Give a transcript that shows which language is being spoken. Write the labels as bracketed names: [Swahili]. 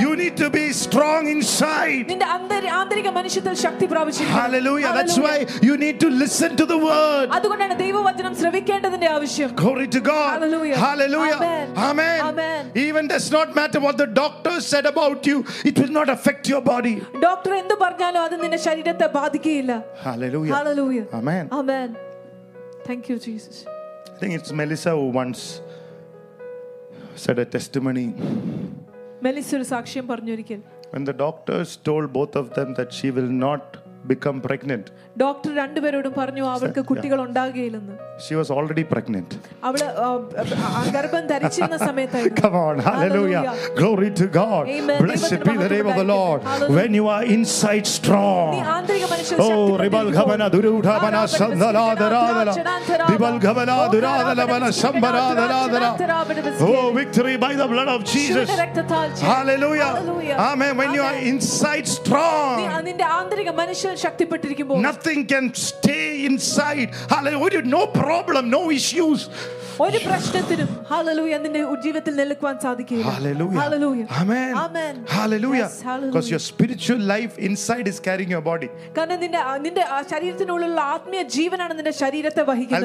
[English] You need to be strong inside. Hallelujah. That's why you need to listen to the word. Glory to God. Hallelujah. Amen. Even does not matter what the doctor said about you, it will not affect your body. [Malayalam] Doctor endu parnalo adu ninde ശരീരത്തെ ബാധിക്കില്ല. Hallelujah. Hallelujah. Amen. [English] Amen. Thank you Jesus. I think it's Melissa who once said a testimony. [Malayalam] Melissa ഒരു സാക്ഷ്യം പറഞ്ഞു ഒരിക്കൽ. [English] When the doctors told both of them that she will not become pregnant. [Malayalam] Doctor രണ്ടുപേരോടും പറഞ്ഞു അവൾക്ക് കുട്ടികൾ ഉണ്ടാകുകയില്ലെന്ന്. [English] She was already pregnant. [Malayalam] അവള് ഗർഭം ധരിച്ചിരുന്ന സമയത്തായിരുന്നു. [English] Come on, hallelujah. Glory to God. Blessed be the name of the Lord. When you are inside strong. [Malayalam] നീ ആന്തരിക മനുഷ്യൻ ശക്തി. ഓ റിബൽഘവന ദുരുഢവന സന്ദലാദരാദല. റിബൽഘവന ദുരാദലവന സംബരാദരാദര. [English] Oh victory by the blood of Jesus. Hallelujah. Amen. When you are inside strong. [Malayalam] നീ നിന്റെ ആന്തരിക മനുഷ്യൻ ശക്തിപ്പെട്ടിരിക്കുമ്പോൾ. [English] Nothing can stay inside. Hallelujah. No problem, no issues. [Malayalam] ഒരു പ്രശ്നത്തിനും hallelujah നിന്റെ ജീവിതത്തിൽ നിലക്കുവാൻ സാധിക്കില്ല. Hallelujah. Hallelujah. Amen. Amen. Hallelujah. [English] Because your spiritual life inside is carrying your body. [Malayalam] കാരണം നിന്റെ ശരീരത്തിനുള്ളിലുള്ള ആത്മീയ ജീവനാണ് നിന്റെ ശരീരത്തെ വഹിക്കുന്നത്.